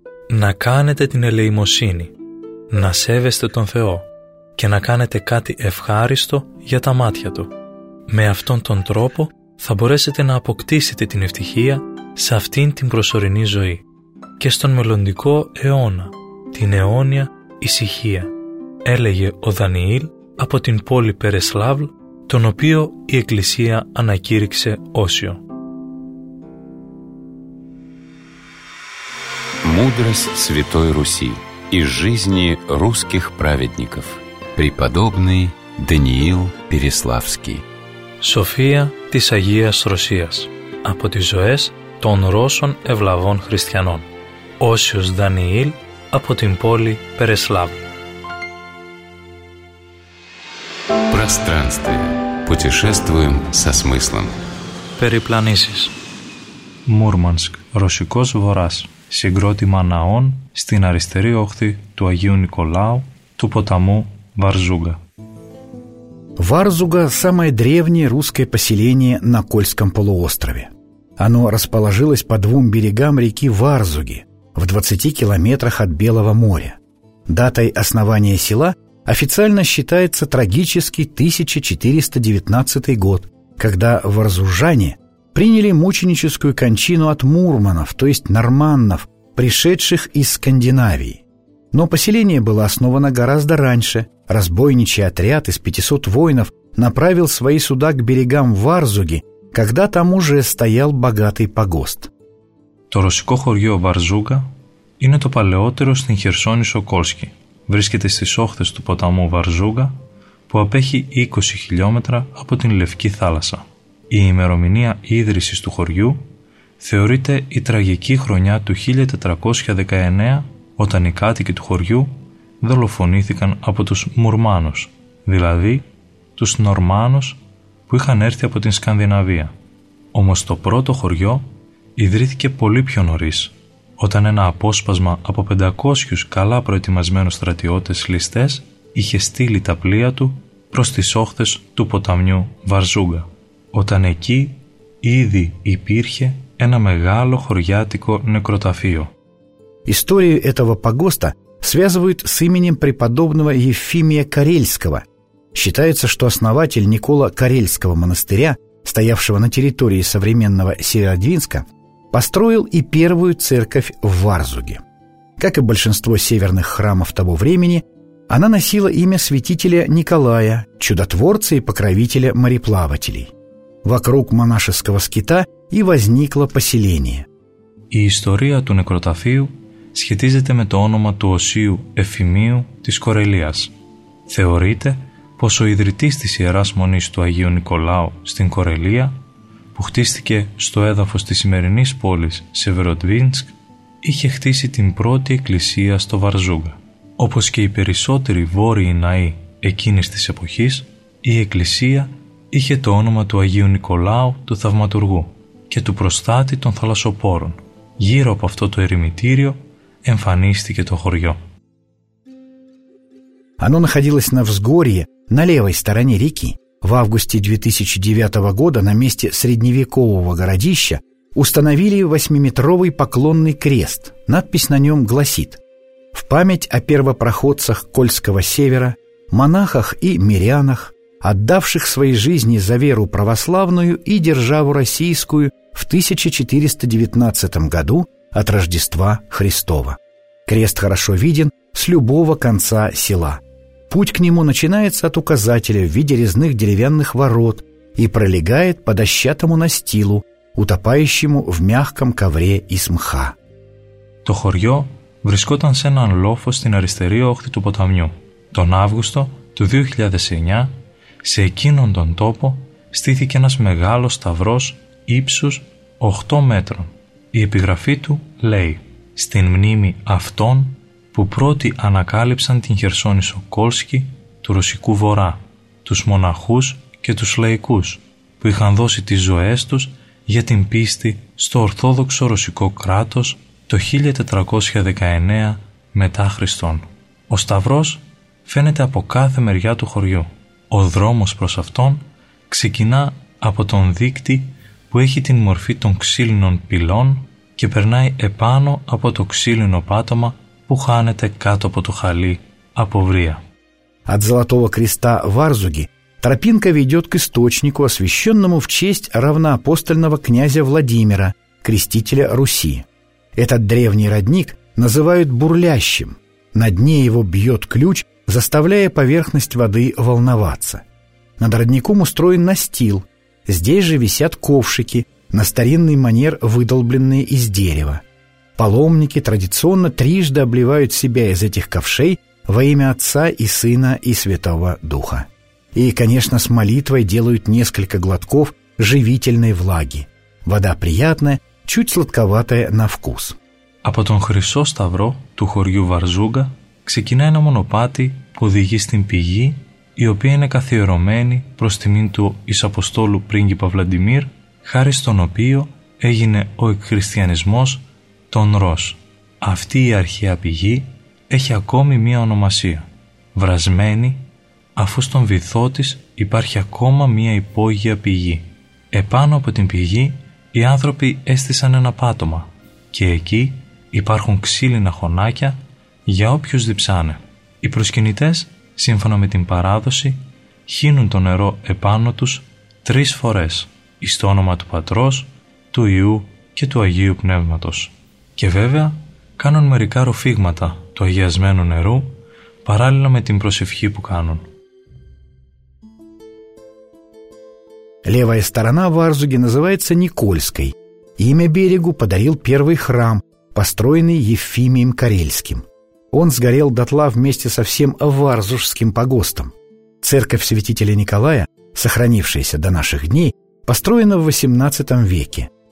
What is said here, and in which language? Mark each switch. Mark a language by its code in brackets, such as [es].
[el] «На канете την ελεημοσύνη, να σέβεστε τον Θεό και να κάνετε κάτι ευχάριστο για τα μάτια Του. Με αυτόν τον τρόπο θα μπορέσετε να αποκτήσετε την ευτυχία σε αυτήν την προσωρινή ζωή και στον μελλοντικό αιώνα, την αιώνια ησυχία», έλεγε ο Δανιήλ από την πόλη Περεσλάβλ, τον οποίο η Εκκλησία ανακήρυξε όσιο. [ru] Мудрость Святой Руси из жизни русских праведников. Преподобный Даниил Переславский. [el] Σοφία της Αγίας Ρωσίας από τις ζωές των Ρώσων ευλαβών χριστιανών. Όσιος Δανιήλ από την πόλη Περεσλάβ. [ru] Пространствие. Путешествуем со смыслом. [el] Περιπλανήσεις. Μούρμανσκ, ρωσικός βορράς. Συγκρότημα ναών στην αριστερή όχθη του Αγίου Νικολάου του ποταμού Βαρζούγκα. [ru] Варзуга – самое древнее русское поселение на Кольском полуострове. Оно расположилось по двум берегам реки Варзуги, в 20 километрах от Белого моря. Датой основания села официально считается трагический 1419 год, когда варзужане приняли мученическую кончину от мурманов, то есть норманнов, пришедших из Скандинавии. Но поселение было основано гораздо раньше. Разбойничий отряд из 500 воинов направил свои суда к берегам Варзуги, когда там уже стоял богатый погост. [el] То русское хорьё Варзуга – это палеотеро στην Херсонησο Кольски. Βρίσκεται στις όχθες του ποταμού Βαρζούγκα, που απέχει 20 χιλιόμετρα από την Λευκή Θάλασσα. Η ημερομηνία ίδρυσης του χωριού θεωρείται η τραγική χρονιά του 1419, όταν οι κάτοικοι του χωριού δολοφονήθηκαν από τους Μουρμάνους, δηλαδή τους Νορμάνους που είχαν έρθει από την Σκανδιναβία. Όμως το πρώτο χωριό ιδρύθηκε πολύ πιο νωρίς, όταν ένα απόσπασμα από 500 καλά προετοιμασμένους στρατιώτες ληστές είχε στείλει τα πλοία του προς τις όχθες του ποταμιού Βαρζούγκα, όταν εκεί ήδη υπήρχε ένα μεγάλο χωριάτικο νεκροταφείο. [ru] Историю этого погоста связывают с именем преподобного Ефимия Карельского. Считается, что основатель Никола Карельского монастыря, стоявшего на территории современного Северодвинска, построил и первую церковь в Варзуге. Как и большинство северных храмов того времени, она носила имя святителя Николая, чудотворца и покровителя мореплавателей. Вокруг монашеского скита и возникло поселение. [el] И история ту некротафию σχετίζεται με το όνομα του Οσίου Εφημίου της Κορελίας. Θεωρείται πως ο ιδρυτής της Ιεράς Μονής του Αγίου Νικολάου στην Κορελία, που χτίστηκε στο έδαφος της σημερινής πόλης Σεβεροδβίνσκ, είχε χτίσει την πρώτη εκκλησία στο Βαρζούγκα. Όπως και οι περισσότεροι βόρειοι ναοί εκείνης της εποχής, η εκκλησία είχε το όνομα του Αγίου Νικολάου του Θαυματουργού και του προστάτη των θαλασσοπόρων. Γύρω από αυτό το ερημητήριο εμφανίστηκε το χωριό. [ru] Оно находилось на взгорье, на левой стороне реки. В августе 2009 года на месте средневекового городища установили 8-метровый поклонный крест. Надпись на нем гласит: «В память о первопроходцах Кольского севера, монахах и мирянах, отдавших свои жизни за веру православную и державу российскую в 1419 году от Рождества Христова». Крест хорошо виден с любого конца села. Путь к нему начинается от указателя в виде резных деревянных ворот и пролегает по дощатому настилу, утопающему в мягком ковре из мха. [el] Το χωριό βρισκόταν σε έναν λόφο στην αριστερή όχθη του ποταμιού. Τον Αύγουστο του 2009, σε εκείνον τον τόπο, στήθηκε ένας μεγάλος σταυρός ύψους 8 μέτρων. Η επιγραφή του λέει: «Στην μνήμη αυτών που πρώτοι ανακάλυψαν την Χερσόνησο Κόλσκι του Ρωσικού Βορρά, τους μοναχούς και τους λαϊκούς που είχαν δώσει τις ζωές τους για την πίστη στο Ορθόδοξο Ρωσικό κράτος το 1419 μετά Χριστόν». Ο σταυρός φαίνεται από κάθε μεριά του χωριού. Ο δρόμος προς αυτόν ξεκινά από τον δίκτυ που έχει την μορφή των ξύλινων πυλών και περνάει επάνω από το ξύλινο πάτωμα που χάνεται κάτω από το χαλί από βρία. [ru] От Золотого Креста в Арзуге тропинка ведет к источнику, освященному в честь равноапостольного князя Владимира, крестителя Руси. Этот древний родник называют бурлящим. На дне его бьет ключ, заставляя поверхность воды волноваться. Над родником устроен настил. Здесь же висят ковшики, на старинный манер выдолбленные из дерева. Паломники традиционно трижды обливают себя из этих ковшей во имя Отца и Сына и Святого Духа. И, конечно, с молитвой делают несколько глотков живительной влаги. Вода приятная, чуть сладковатая на вкус. [el] А потом хрисо ставро ту хорью Варзуга ξεκινά ένα μονοπάτι που οδηγεί στην πηγή, η οποία είναι καθιερωμένη προς τιμήν του εις Αποστόλου πρίγκιπα Βλαντιμίρ, χάρη στον οποίο έγινε ο εκχριστιανισμός των Ρος. Αυτή η αρχαία πηγή έχει ακόμη μία ονομασία, Βρασμένη, αφού στον βυθό της υπάρχει ακόμα μία υπόγεια πηγή. Επάνω από την πηγή οι άνθρωποι έστησαν ένα πάτωμα και εκεί υπάρχουν ξύλινα χωνάκια για όποιους διψάνε. Οι προσκυνητές, σύμφωνα με την παράδοση, χύνουν το νερό επάνω τους 3 φορές, εις το όνομα του Πατρός, του Υιού και του Αγίου Πνεύματος. Και βέβαια, κάνουν μερικά ροφήγματα του αγιασμένου νερού, παράλληλα με την προσευχή που κάνουν. [ru] Левая сторона в Арзуге называется Никольской. Имя берегу подарил первый храм, построенный Ефимием Карельским. Он сгорел дотла вместе со всем варзужским погостом. Церковь святителя Николая, сохранившаяся до наших дней, построена в XVIII веке.